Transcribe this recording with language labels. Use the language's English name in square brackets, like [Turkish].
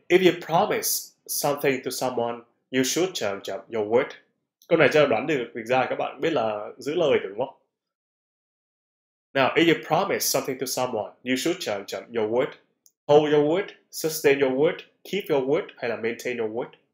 [English] If you promise something to someone, you should [Vietnamese] chậm chậm [English] your word. [Vietnamese] Câu này cho đoán được dịch ra các bạn biết là giữ lời đúng không? [English] Now, if you promise something to someone, you should [Vietnamese] chậm chậm [English] your word. Hold your word, sustain your word, keep your word [Vietnamese] hay là [English] maintain your word.